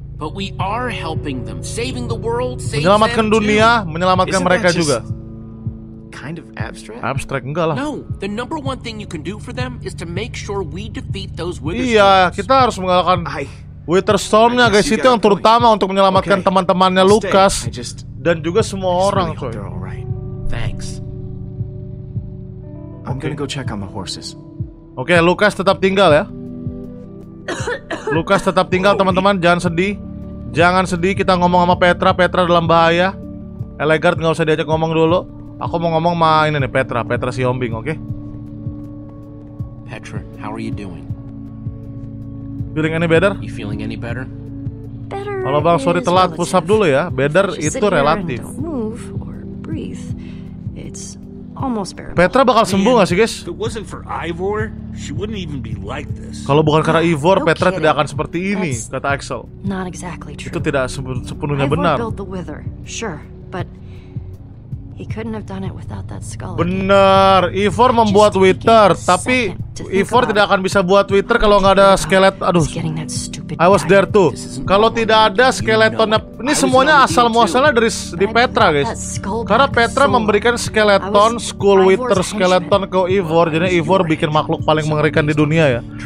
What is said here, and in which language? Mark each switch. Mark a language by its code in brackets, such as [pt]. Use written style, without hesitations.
[en] But we are helping them, saving the world, saving them. [id] Menyelamatkan dunia, menyelamatkan mereka juga. [en] Kind of abstract. [id] Abstract enggak lah. [en] No, the number one thing you can do for them is to make sure we defeat those wither storms. [id] Iya, kita harus mengalahkan wither storm-nya, guys. Itu yang terutama untuk menyelamatkan teman-temannya Lucas dan juga semua orang, coy. [en] Thanks. I'm gonna go check on the horses. [id] Oke, okay, Lucas tetap tinggal ya. Lucas tetap tinggal, teman-teman. Jangan sedih. Jangan sedih, kita ngomong sama Petra. Petra dalam bahaya. Elegard gak usah diajak ngomong dulu. Aku mau ngomong sama ini nih, Petra. Petra si Yombing, oke? [en] Okay? Petra, how are you doing? Feeling any better? You feeling any better? Better. [id] Halo bang, sorry telat. Push up dulu ya. Better itu relatif. [en] Move or breathe. It's almost bearable. [id] Petra bakal sembuh gak sih, guys? [en] If it wasn't for Ivor, she wouldn't even be like this. [id] Kalau bukan karena Ivor, no, Petra tidak akan seperti ini, kata Axel. [en] Not exactly true. [id] Itu tidak sepenuhnya benar. [en] Ivor built the wither, sure, but he couldn't have done it without that skull. [id] Benar, Ivor membuat wither, tapi Ivor tidak akan bisa buat wither kalau nggak ada skelet. Aduh, [en] I was there too. [id] Kalau tidak ada skeletonnya, ini semuanya asal muasalnya dari di Petra, guys. Karena Petra memberikan skeleton, skull wither skeleton ke Ivor, jadi Ivor bikin makhluk paling mengerikan di dunia ya.